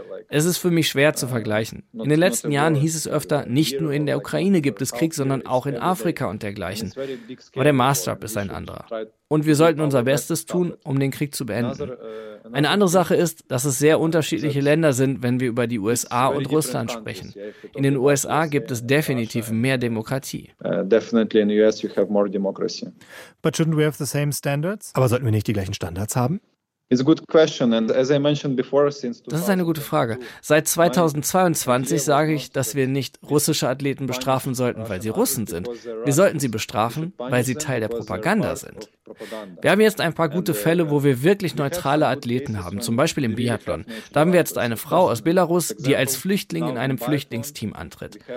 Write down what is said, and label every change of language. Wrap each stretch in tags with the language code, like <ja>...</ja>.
<de>Es ist für mich schwer zu vergleichen. In den letzten Jahren hieß es öfter, nicht nur in der Ukraine gibt es Krieg, sondern auch in Afrika und dergleichen. Aber der Maßstab ist ein anderer. Und wir sollten unser Bestes tun, um den Krieg zu beenden. Eine andere Sache ist, dass es sehr unterschiedliche Länder sind, wenn wir über die USA und Russland sprechen. In den USA gibt es definitiv mehr Demokratie.</de> <en>But shouldn't we have the same standards?</en> <de>Aber sollten wir nicht die gleichen Standards haben?</de> <en>It's a good question, and as I mentioned before, since</en> <de>das ist eine gute Frage. Seit 2022 sage ich, dass wir nicht russische Athleten bestrafen sollten, weil sie Russen sind. Wir sollten sie bestrafen, weil sie Teil der Propaganda sind. Wir haben jetzt ein paar gute Fälle, wo wir wirklich neutrale Athleten haben, zum Beispiel im Biathlon. Da haben wir jetzt eine Frau aus Belarus, die als Flüchtling in einem Flüchtlingsteam antritt.</de>